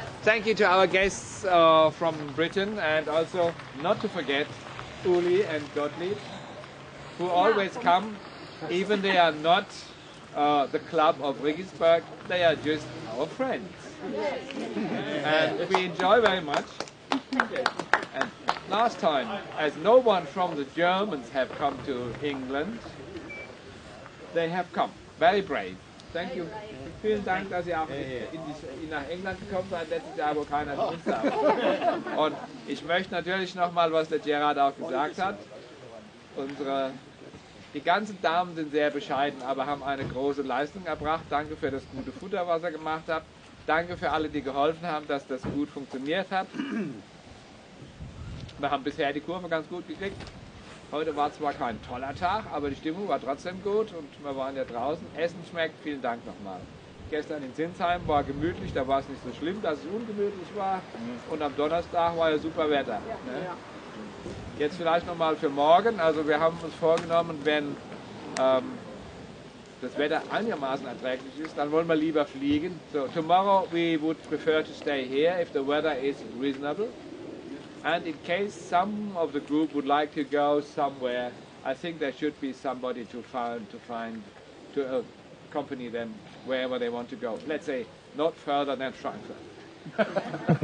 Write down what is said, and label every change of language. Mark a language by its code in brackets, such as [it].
[en] Thank you to our guests from Britain, and also not to forget Uli and Gottlieb, who always come, even they are not the club of Regensburg, they are just our friends. And we enjoy very much. last time, as no one from the Germans have come to England, they have come. Very brave. Thank you. [de] Vielen Dank, dass ihr auch nach England gekommen seid. Letztes Jahr, wo keiner zu uns darf. Und ich möchte natürlich nochmal, was der Gerard auch gesagt hat, die ganzen Damen sind sehr bescheiden, aber haben eine große Leistung erbracht. Danke für das gute Futter, was ihr gemacht habt. Danke für alle, die geholfen haben, dass das gut funktioniert hat. Wir haben bisher die Kurve ganz gut gekriegt. Heute war zwar kein toller Tag, aber die Stimmung war trotzdem gut und wir waren ja draußen. Essen schmeckt, vielen Dank nochmal. Gestern in Zinsheim war gemütlich, da war es nicht so schlimm, dass es ungemütlich war. Und am Donnerstag war ja super Wetter. Ne? Jetzt vielleicht nochmal für morgen. Also wir haben uns vorgenommen, wenn das Wetter einigermaßen erträglich ist, dann wollen wir lieber fliegen. [en] So, tomorrow we would prefer to stay here if the weather is reasonable. And in case some of the group would like to go somewhere, I think there should be somebody to accompany them wherever they want to go. Let's say, not further than Frankfurt.